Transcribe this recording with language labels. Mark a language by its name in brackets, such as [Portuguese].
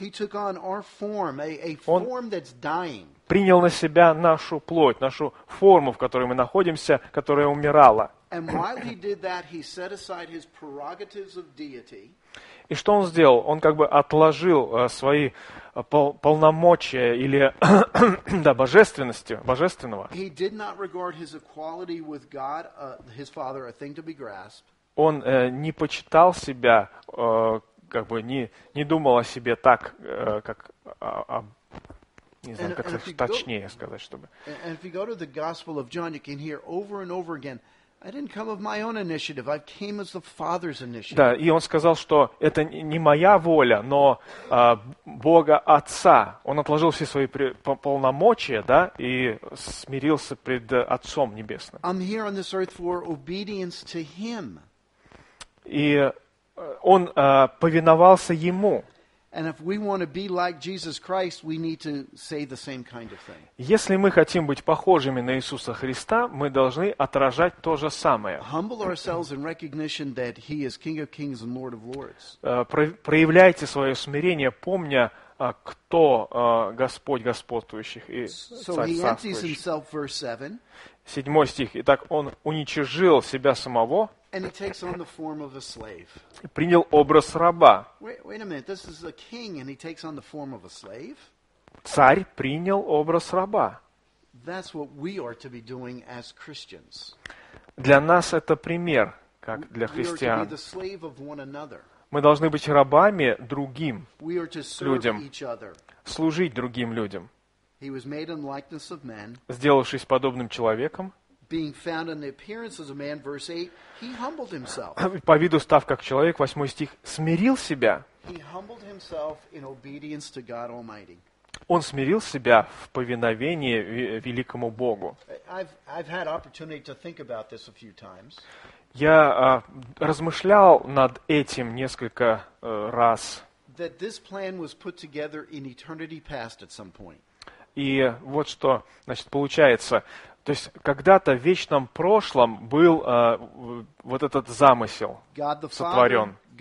[Russian] Он принял на себя нашу плоть, нашу форму, в которой мы находимся, которая умирала. И что он сделал? Он как бы отложил свои полномочия или да, божественности, божественного. [English] He did not regard his equality with God, his father, a thing to be grasped. [Russian] Он не почитал себя, как бы не думал о себе так, как не знаю, как точнее сказать, чтобы. [English] And if you go to the Gospel of John, you can hear over and over again. I didn't come of my own initiative. I came as the Father's initiative. [Russian] Да, и он сказал, что это не моя воля, но Бога Отца. Он отложил все свои полномочия, да, и смирился пред Отцом Небесным. [English] I'm here on this earth for obedience to Him. [Russian] И он повиновался Ему. [English] And if we want to be like Jesus Christ, we need to say the same kind of thing. [Russian] Если мы хотим быть похожими на Иисуса Христа, мы должны отражать то же самое. [English] Humble ourselves in recognition that He is King of Kings and Lord of Lords. [Russian] Проявляйте свое смирение, помня, кто Господь господствующих и царь царствующих. Седьмой стих. Итак, он уничижил себя самого. [English] And he takes on the form of a slave. [Russian] Принял образ раба. [English] Wait a minute. This is a king, and he takes on the form of a slave. [Russian] Царь принял образ раба. [English] That's what we are to be doing as Christians. [Russian] Для нас это пример, как для христиан. [English] We are to be the slave of one another. [Russian] Мы должны быть рабами другим [English] we are to serve [Russian] людям, [English] each other. [Russian] Служить другим людям. [English] He was made in likeness of men. [Russian] Сделавшись подобным человеком. [English] Being found in the appearance as a man, verse 8, he humbled himself. [Russian] По виду став как человек, восьмой стих, смирил себя. [English] He humbled himself in obedience to God Almighty. [Russian] Он смирил себя в повиновении великому Богу. [English] I've had opportunity to think about this a few times. [Russian] Я размышлял над этим несколько раз. [English] That this plan was put together in eternity past at some point. [Russian] И вот что, значит, получается. То есть когда-то в вечном прошлом был вот этот замысел сотворен.